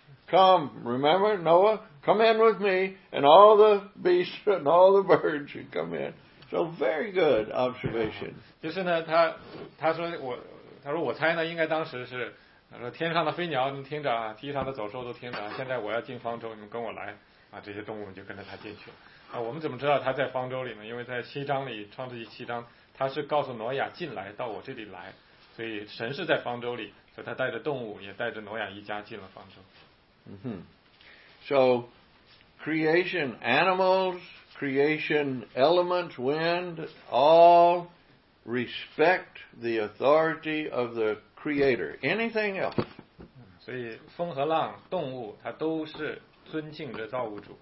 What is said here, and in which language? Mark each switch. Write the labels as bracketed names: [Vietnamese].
[English] Come, remember, Noah, come in with me, and all the beasts and all the birds should come in. So very good observation. [Chinese] 就是呢，他说我猜呢，应该当时是，他说天上的飞鸟你听着啊，地上的走兽都听着，现在我要进方舟，你们跟我来啊，这些动物就跟着他进去。啊，我们怎么知道他在方舟里呢？因为在七章里，创世纪七章，他是告诉挪亚进来到我这里来，所以神是在方舟里，所以他带着动物也带着挪亚一家进了方舟。 [English] So creation animals, creation elements, wind, all respect the authority of the creator. Anything else? [Chinese] 所以风和浪动物它都是尊敬着造物主。